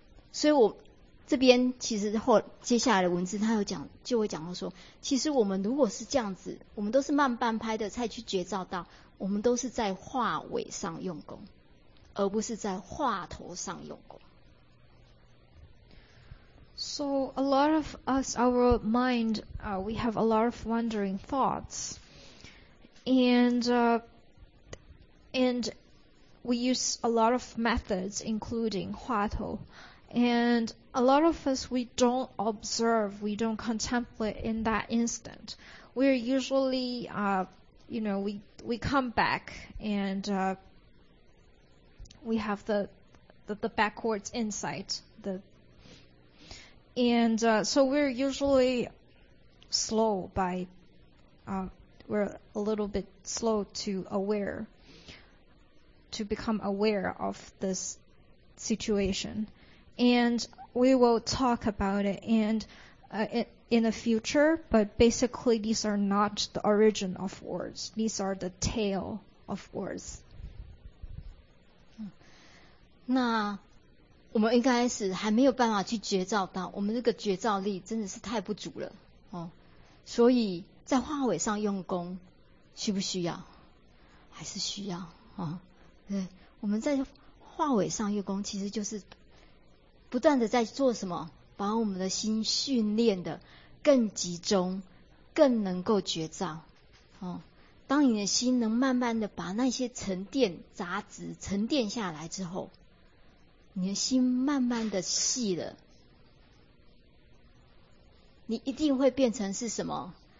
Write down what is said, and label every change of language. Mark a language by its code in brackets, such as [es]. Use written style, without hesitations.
[zh] 所以我这边其实后接下来的文字他有讲，就会讲到说，其实我们如果是这样子，我们都是慢半拍的才去觉照到，我们都是在话尾上用功，而不是在话头上用功。 [en] So a lot of us, our mind, we have a lot of wandering thoughts, and we use a lot of methods, including 话头, and a lot of us, we don't observe, we don't contemplate in that instant. We're usually, we come back and we have the backwards insight, so we're usually slow we're a little bit slow to become aware of this situation. And we will talk about it in the future, but basically these are not the origin of words. These are the tail of words. [zh] 那我们一开始还没有办法去觉照到，我们这个觉照力真的是太不足了，所以在话尾上用功需不需要？还是需要，对，我们在话尾上用功其实就是不断的在做什么，把我们的心训练的更集中，更能够觉照，当你的心能慢慢的把那些沉淀杂质沉淀下来之后，你的心慢慢的细了，你一定会变成是什么？